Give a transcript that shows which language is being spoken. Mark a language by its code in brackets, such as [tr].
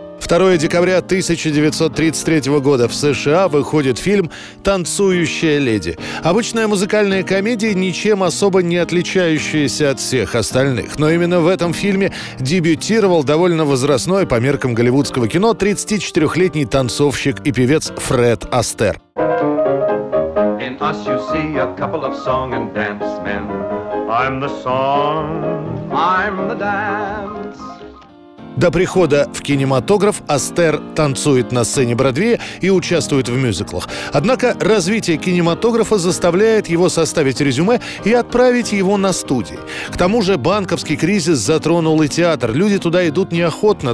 [ru] 2 декабря 1933 года в США выходит фильм «Танцующая леди». Обычная музыкальная комедия, ничем особо не отличающаяся от всех остальных. Но именно в этом фильме дебютировал довольно возрастной по меркам голливудского кино 34-летний танцовщик и певец Фред Астер. [en] In us you see a couple of song and dance men. I'm the song, I'm the dance. [ru] До прихода в кинематограф Астер танцует на сцене Бродвея и участвует в мюзиклах. Однако развитие кинематографа заставляет его составить резюме и отправить его на студии. К тому же банковский кризис затронул и театр. Люди туда идут неохотно.